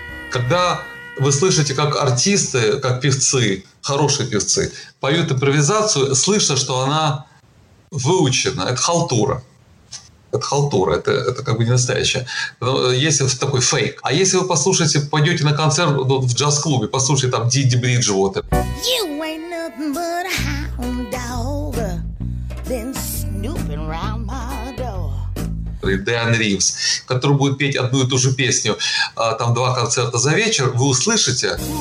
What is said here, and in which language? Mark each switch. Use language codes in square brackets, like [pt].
[ru] Когда вы слышите, как артисты, как певцы, хорошие певцы, поют импровизацию, слышно, что она выучена. Это халтура. Это халтура, это как бы не настоящее. Если такой фейк. А если вы послушаете, пойдете на концерт в джаз-клубе, послушайте там Диди Бриджуотер. [en] You ain't nothing but a hound dog. Been snooping around my... [ru] Дэн Ривз, который будет петь одну и ту же песню, там два концерта за вечер, вы услышите.